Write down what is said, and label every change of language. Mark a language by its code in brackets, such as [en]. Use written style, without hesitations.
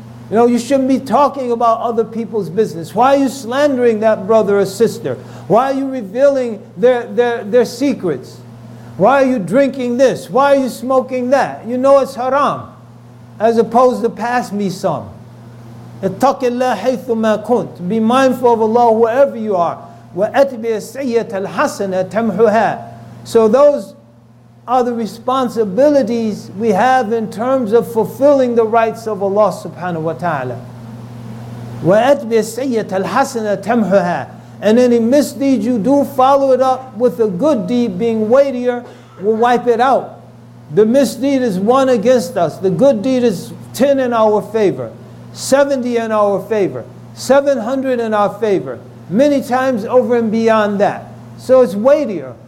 [en] You know, you shouldn't be talking about other people's business. Why are you slandering that brother or sister? Why are you revealing their secrets? Why are you drinking this? Why are you smoking that? You know it's haram. As opposed to pass me some. [ar] اتق الله حيثما كنت. [en] Be mindful of Allah wherever you are. [ar] وأتبع السيئة الحسنة تمحها. [en] So those are the responsibilities we have in terms of fulfilling the rights of Allah subhanahu wa ta'ala. [ar] وأتبع السيئة الحسنة تمحها. [en] And any misdeed you do, follow it up with a good deed being weightier, will wipe it out. The misdeed is one against us. The good deed is 10 in our favor, 70 in our favor, 700 in our favor, many times over and beyond that. So it's weightier.